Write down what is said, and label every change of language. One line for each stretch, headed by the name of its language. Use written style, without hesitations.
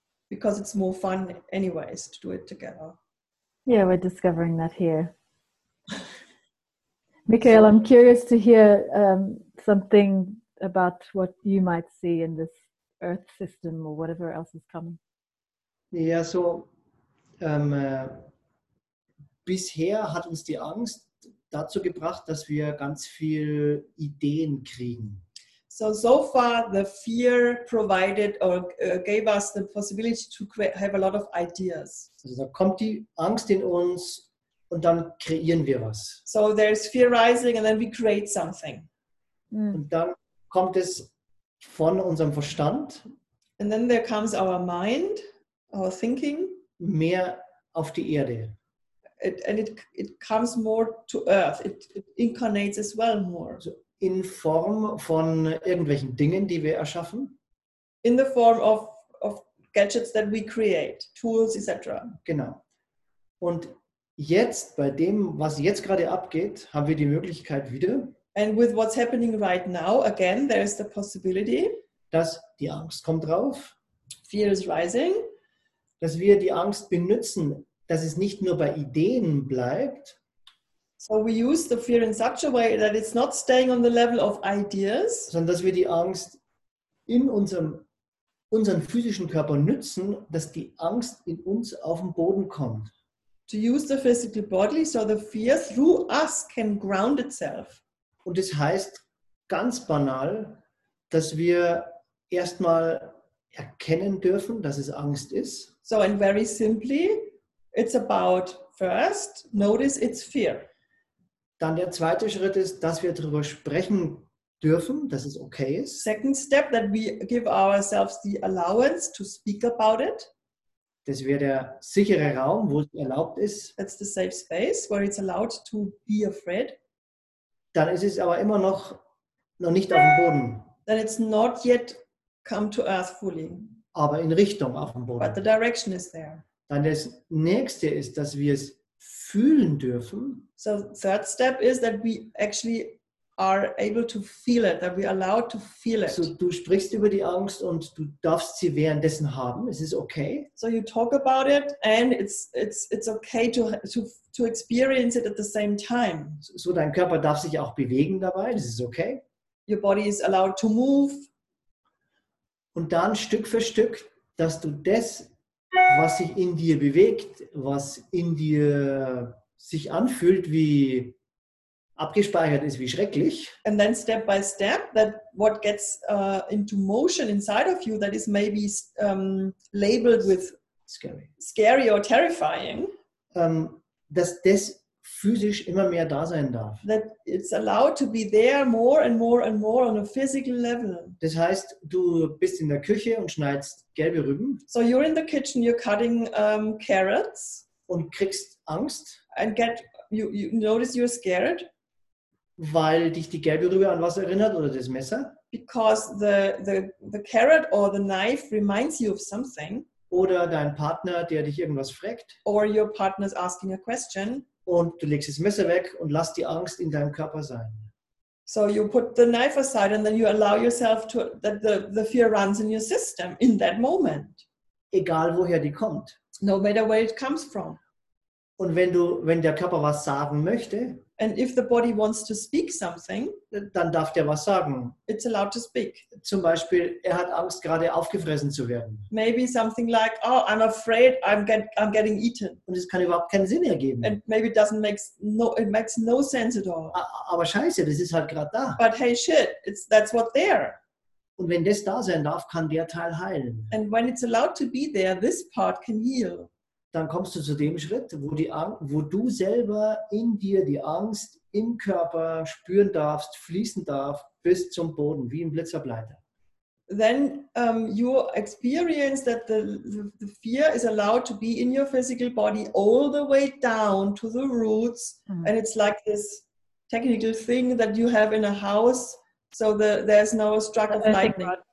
English: Because it's more fun anyways to do it together. Yeah, we're discovering that here. Mikhail, I'm curious to hear something about what you might see in this earth system or whatever else is coming.
German: Yeah, so bisher hat uns die Angst dazu gebracht, dass wir ganz viel Ideen kriegen.
English: So far the fear provided or gave us the possibility to have a lot of ideas.
German: Also da kommt die Angst in uns und dann kreieren wir was.
English: So there's fear rising and then we create something.
German: Mm. Und dann kommt es von unserem Verstand.
English: And then there comes our mind, our thinking.
German: Mehr auf die Erde.
English: It comes more to earth. It incarnates as well more.
German: In Form von irgendwelchen Dingen, die wir erschaffen.
English: in the form of gadgets that we create, tools, etc.
German: Genau. Und jetzt, bei dem, was jetzt gerade abgeht, haben wir die Möglichkeit wieder.
English: And with what's happening right now, again, there is the possibility.
German: Dass die Angst kommt drauf.
English: Fear is rising.
German: Dass wir die Angst benutzen, dass es nicht nur bei Ideen bleibt.
English: So we use the fear in such a way that it's not staying on the level of ideas.
German: Sondern dass wir die Angst in unseren physischen Körper nutzen, dass die Angst in uns auf den Boden kommt.
English: To use the physical body so the fear through us can ground itself.
German: Und das heißt ganz banal, dass wir erstmal erkennen dürfen, dass es Angst ist.
English: So and very simply, it's about first, notice it's fear.
German: Dann der zweite Schritt ist, dass wir darüber sprechen dürfen, dass es okay ist.
English: Second step, that we give ourselves the allowance to speak about it.
German: Das wäre der sichere Raum, wo es erlaubt ist.
English: That's the safe space, where it's allowed to be afraid.
German: Dann ist es aber immer noch nicht auf dem Boden.
English: Then it's not yet come to earth fully.
German: Aber in Richtung auf dem Boden.
English: But the direction is there.
German: Dann das nächste ist, dass wir es fühlen dürfen.
English: So third step is that we actually are able to feel it, that we allow to feel it.
German: So du sprichst über die Angst und du darfst sie währenddessen haben. Es ist okay.
English: So you talk about it and it's okay to experience it at the same time.
German: So dein Körper darf sich auch bewegen dabei. Das ist okay.
English: Your body is allowed to move.
German: Und dann Stück für Stück, dass du das, was sich in dir bewegt, was in dir sich anfühlt, wie abgespeichert ist, wie schrecklich.
English: And then step by step, that what gets into motion inside of you, that is maybe labeled with scary or terrifying.
German: Dass das physisch immer mehr da sein darf.
English: That it's allowed to be there more and more and more on a physical level.
German: Das heißt, du bist in der Küche und schneidest gelbe Rüben.
English: So you're in the kitchen, you're cutting carrots.
German: Und kriegst Angst.
English: And you notice you're scared.
German: Weil dich die gelbe Rübe an was erinnert oder das Messer.
English: Because the carrot or the knife reminds you of something.
German: Oder dein Partner, der dich irgendwas fragt.
English: Or your partner's asking a question.
German: Und du legst das Messer weg und lass die Angst in deinem Körper sein.
English: So you put the knife aside and then you allow yourself to, that the fear runs in your system in that moment.
German: Egal woher die kommt.
English: No matter where it comes from.
German: Und wenn der Körper was sagen möchte.
English: And if the body wants to speak something.
German: Dann darf der was sagen.
English: It's allowed to speak.
German: Zum Beispiel, er hat Angst gerade aufgefressen zu werden.
English: Maybe something like, oh, I'm afraid I'm getting eaten.
German: Und es kann überhaupt keinen Sinn ergeben.
English: And maybe it makes no sense at all.
German: Aber scheiße, das ist halt gerade da.
English: But hey shit, that's what there.
German: Und wenn das da sein darf, kann der Teil heilen.
English: And when it's allowed to be there, this part can heal.
German: Dann kommst du zu dem Schritt, wo du selber in dir die Angst im Körper spüren darfst, fließen darf, bis zum Boden, wie ein Blitzableiter.
English: Then you experience that the fear is allowed to be in your physical body all the way down to the roots. Mm-hmm. And it's like this technical thing that you have in a house, so there's no struck of lightning.